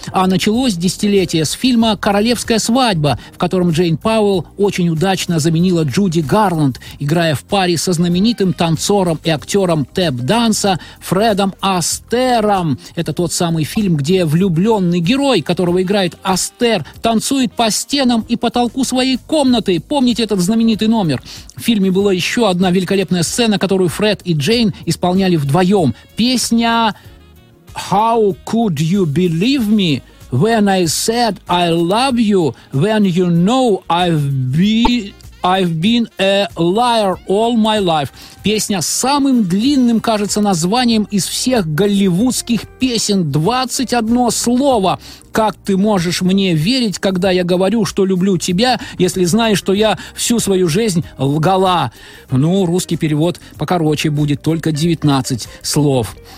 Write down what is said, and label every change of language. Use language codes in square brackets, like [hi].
[ru] А началось десятилетие с фильма «Королевская свадьба», в котором Джейн Пауэлл очень удачно заменила Джуди Гарланд, играя в паре со знаменитым танцором и актером тэп-данса Фредом Астером. Это тот самый фильм, где влюбленный герой, которого играет Астер, танцует по стенам и потолку своей комнаты. Помните этот знаменитый номер? В фильме была еще одна великолепная сцена, которую Фред и Джейн исполняли вдвоем. Песня [en] «How could you believe me when I said I love you when you know I've been a liar all my life». [ru] Песня с самым длинным, кажется, названием из всех голливудских песен. 21 слово. «Как ты можешь мне верить, когда я говорю, что люблю тебя, если знаешь, что я всю свою жизнь лгала?» Ну, русский перевод покороче будет, только 19 слов.